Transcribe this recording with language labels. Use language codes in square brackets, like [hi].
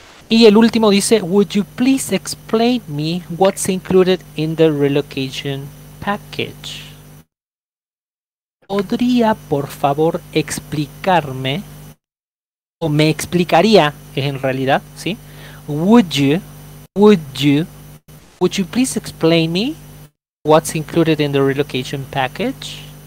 [es] Y el último dice, [en] would you please explain me what's included in the relocation package? [es] ¿Podría, por favor, explicarme, o me explicaría, en realidad, sí? [en] Would you please explain me what's included in the relocation package?